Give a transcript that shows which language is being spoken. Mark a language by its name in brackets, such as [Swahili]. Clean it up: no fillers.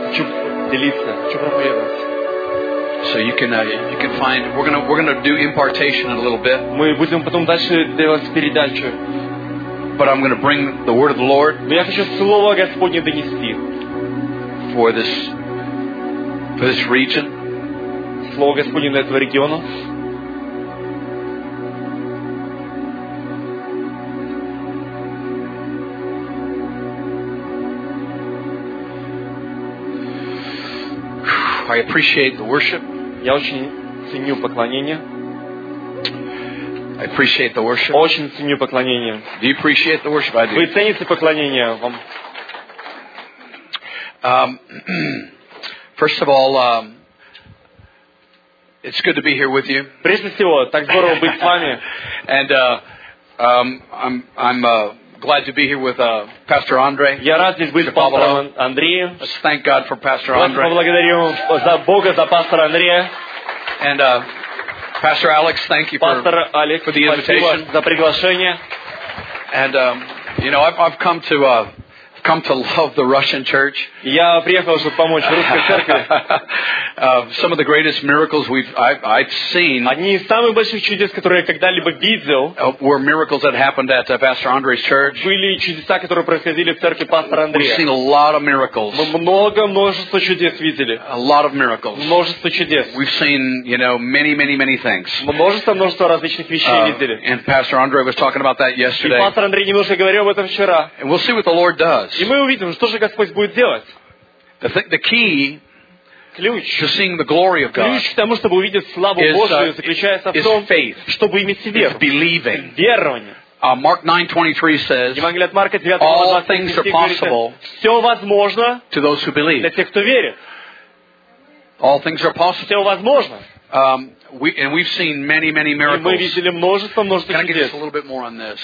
[English] So you can find we're gonna do impartation in a little bit. [Russian] Мы будем потом дальше делать передачу. [English] But I'm gonna bring the word of the Lord. [Russian] Но я хочу слово Господне донести. [English] For this region. [Russian] Слово Господне для этого региона. [English] I appreciate the worship. [Russian] Я очень ценю поклонение. [English] I appreciate the worship. [Russian] Очень ценю поклонение. [English] Do you appreciate the worship? I do. [Russian] Вы цените поклонение вам? [English] First of all, it's good to be here with you. [Russian] Прежде всего, так здорово быть с вами. [English] And glad to be here with Pastor Andre. [Russian] Я рад здесь быть с пастором Андреем. [English] Thank God for Pastor Andre. [Russian] Благодарю за Бога за пастора Андрея. [English] And Pastor Alex, thank you for Alex, for the invitation. [Russian] За приглашение. [English] And you know, I've come to come to love the Russian church. [Russian] Я приехал, чтобы помочь русской церкви. [English] Some of the greatest miracles I've seen. [Russian] Одни из самых больших чудес, которые я когда-либо видел. [English] Were miracles that happened at Pastor Andre's church. [Russian] Были чудеса, которые происходили в церкви пастора Андрея. [English] We've seen a lot of miracles. [Russian] Мы множество чудес видели. [English] A lot of miracles. [Russian] Множество чудес. [English] We've seen, you know, many things. [Russian] Мы множество различных вещей видели. [English] And Pastor Andre was talking about that yesterday. [Russian] И пастор Андрей немножко говорил об этом вчера. [English] And we'll see what the Lord does. [Russian] И мы увидим, что же Господь будет делать. [English] The key, [Russian] ключ, [English] to seeing the glory of God, [Russian] ключ к тому, чтобы увидеть славу Божию, заключается в том, чтобы иметь веру. [English] Believing. [Russian] Верование. [English] Mark 9:23 says, all things are possible to those who believe. [Russian] Для тех, кто верит. [English] All things are possible. [Russian] Все возможно. [English] And we've seen many miracles. [Russian] Мы видели множество [English] Can I get [Russian] чудес. [English] Just a little bit more on this?